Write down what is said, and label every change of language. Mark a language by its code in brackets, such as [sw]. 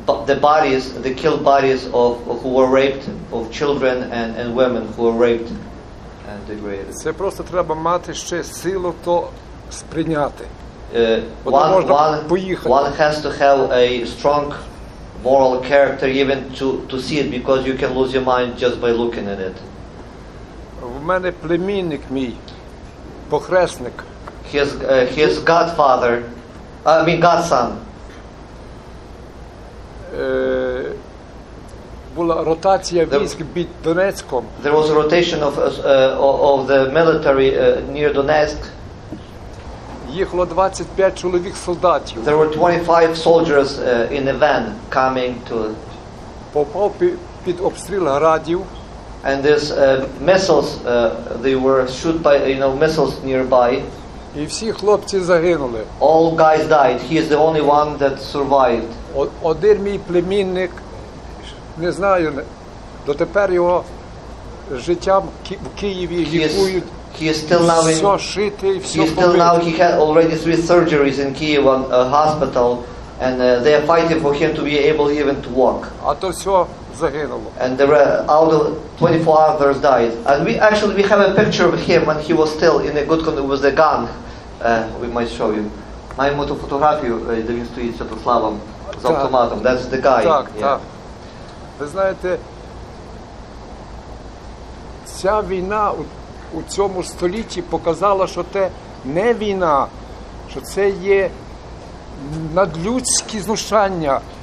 [en] The bodies, the killed bodies of who were raped, of children and women who were raped and degraded. [uk] Це просто треба мати ще силу то сприйняти. [en] One has to have a strong moral character even to see it, because you can lose your mind just by looking at it. [uk] У мене племінник мій, похресник. [en] His godfather, godson. [uk] Була ротація військ під Донецьком. [en] There was a rotation of the military near Donetsk. [uk] Їхало 25 чоловік солдатів. [en] There were 25 soldiers in a van coming to... [uk] Попав під обстріл градів. [en] And there's missiles, they were shot by, you know, missiles nearby. [uk] І всі хлопці загинули. [en] All guys died. He is the only one that survived. [uk] Один мій племінник, не знаю, до тепер його життям в Києві лікують. [en] He already three surgeries in Kyiv on a hospital, and they are fighting for him to be able even to walk. And there out of 24 others died. And we have a picture of him when he was still in a good condition with the gun. We might show you. [uk] Маємо ту фотографію, де він стоїть з Святославом з автоматом. [en] That's the guy. [uk] Ви знаєте, ця війна у цьому столітті показала, що це не війна, що це є надлюдські знущання.